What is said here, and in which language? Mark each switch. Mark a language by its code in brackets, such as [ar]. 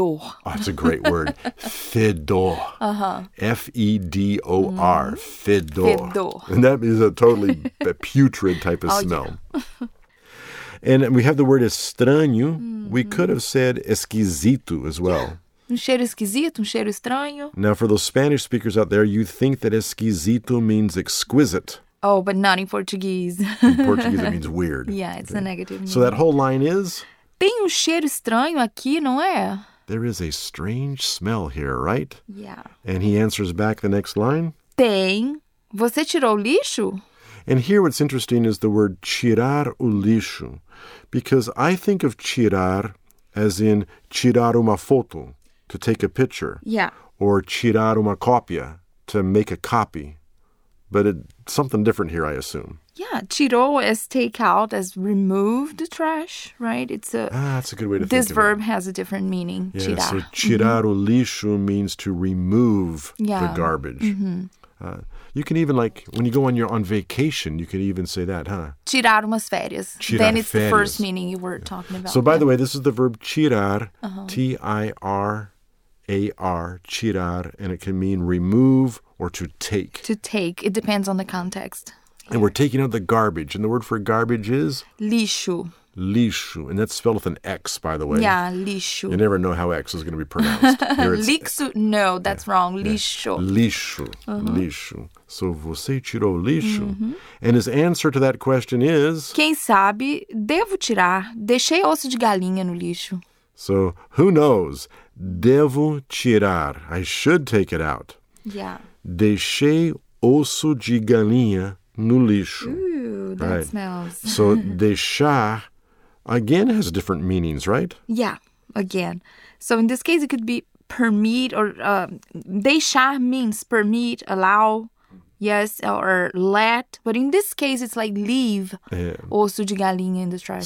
[en] Oh, that's a great word. Fedor. Uh-huh. F-E-D-O-R. Mm-hmm. Fedor. [pt] Fedor. [en] And that is a totally a putrid type of smell. Yeah. And we have the word estranho. Mm-hmm. We could have said esquisito as well. Yeah. [pt] Um cheiro esquisito, um cheiro estranho. [en] Now, for those Spanish speakers out there, you think that esquisito means exquisite. Oh, but not in Portuguese. In Portuguese, it means weird. Yeah, it's okay. A negative meaning. So that whole line is? [pt] Tem cheiro estranho aqui, não é? [en] There is a strange smell here, right? Yeah. And he answers back the next line? [pt] Tem. Você tirou o lixo? [en] And here what's interesting is the word [pt] tirar o lixo. [en] Because I think of tirar as in [pt] tirar uma foto. [en] To take a picture. Yeah. Or [pt] tirar uma cópia, [en] to make a copy. But it's something different here, I assume. Yeah, tirou is take out, as remove the trash, right? It's a... Ah, that's a good way to think of it. This verb has a different meaning, yeah, [pt] tirar. [en] So [pt] tirar o lixo [en] means to remove the garbage. Mm-hmm. You can even, like, when you go on your on vacation, you can even say that, huh? [pt] Tirar umas férias. Tirar [en] then it's [pt] férias. [en] The first meaning you were talking about. So, by the way, this is the verb tirar, T-I-R-A-R, tirar, and it can mean remove or to take. To take. It depends on the context. Yeah. And we're taking out the garbage. And the word for garbage is? [pt] Lixo. Lixo. [en] And that's spelled with an X, by the way. Yeah, lixo. You never know how X is going to be pronounced. Lixo? No, that's wrong. Lixo. Yeah. [pt] Lixo. Uh-huh. Lixo. So, você tirou lixo? Mm-hmm. [en] And his answer to that question is... [pt] Quem sabe, devo tirar. Deixei osso de galinha no lixo. [en] So, who knows? [pt] Devo tirar. [en] I should take it out. Yeah. [pt] Deixei osso de galinha no lixo. [en] Ooh, that smells. So, deixar... Again, has different meanings, right? Yeah, again. So in this case, it could be permit or deixar means permit, allow, yes, or let. But in this case, it's like leave [pt] osso de galinha [en] in the trash.